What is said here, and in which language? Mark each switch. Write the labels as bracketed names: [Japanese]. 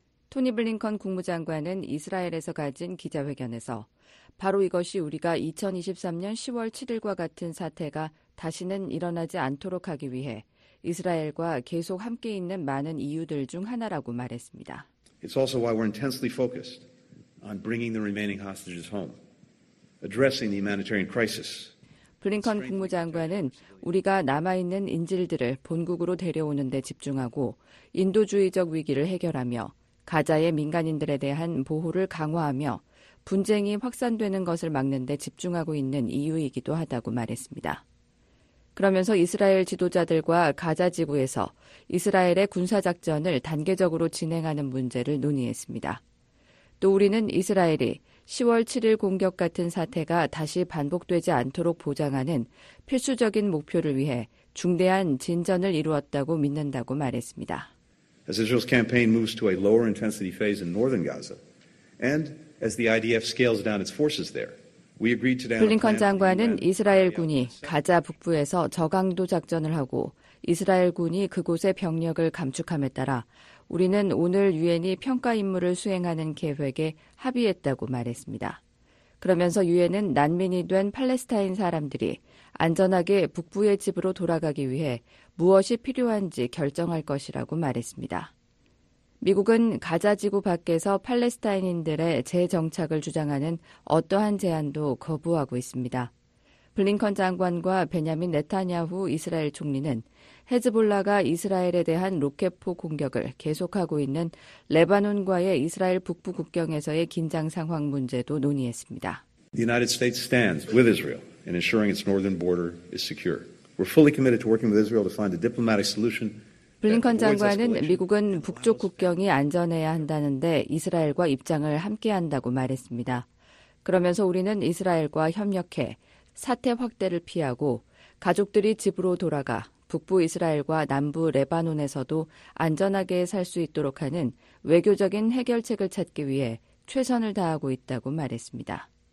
[Korean] 토니 블링컨 국무장관은 이스라엘에서 가진 기자회견에서 바로 이것이 우리가 2023년 10월 7일과 같은 사태가 다시는 일어나지 않도록 하기 위해 이스라엘과 계속 함께 있는 많은 이유들 중 하나라고 말했습니다. [English] It's also why we're intensely focused on bringing the remaining hostages home, addressing the humanitarian crisis. [Korean] 블링컨 국무장관은 우리가 남아있는 인질들을 본국으로 데려오는 데 집중하고 인도주의적 위기를 해결하며 가자의 민간인들에 대한 보호를 강화하며 분쟁이 확산되는 것을 막는 데 집중하고 있는 이유이기도 하다고 말했습니다. 그러면서 이스라엘 지도자들과 가자 지구에서 이스라엘의 군사작전을 단계적으로 진행하는 문제를 논의했습니다. 또 우리는 이스라엘이 10월 7일 공격 같은 사태가 다시 반복되지 않도록 보장하는 필수적인 목표를 위해 중대한 진전을 이루었다고 믿는다고 말했습니다. [English] As Israel's campaign moves to a lower intensity phase in northern Gaza, and as the IDF scales down its forces there, we agreed today. [Korean] 블링컨 장관은 이스라엘 군이 가자 북부에서 저강도 작전을 하고 이스라엘 군이 그곳의 병력을 감축함에 따라 우리는 오늘 유엔이 평가 임무를 수행하는 계획에 합의했다고 말했습니다. 그러면서 유엔은 난민이 된 팔레스타인 사람들이 안전하게 북부의 집으로 돌아가기 위해 무엇이 필요한지 결정할 것이라고 말했습니다. 미국은 가자 지구 밖에서 팔레스타인인들의 재정착을 주장하는 어떠한 제안도 거부하고 있습니다. 블링컨 장관과 베냐민 네타냐후 이스라엘 총리는 헤즈볼라가 이스라엘에 대한 로켓포 공격을 계속하고 있는 레바논과의 이스라엘 북부 국경에서의 긴장 상황 문제도 논의했습니다. [English] The United States stands with Israel in ensuring its northern border is secure. We're fully committed to working with Israel to find a diplomatic solution. [Korean] 블링컨 장관은 미국은 북쪽 국경이 안전해야 한다는데 이스라엘과 입장을 함께한다고 말했습니다. 그러면서 우리는 이스라엘과 협력해 사태 확대를 피하고 가족들이 집으로 돌아가 북부 이스라엘과 남부 레바논에서도 안전하게 살 수 있도록 하는 외교적인 해결책을 찾기 위해 최선을 다하고 있다고 말했습니다.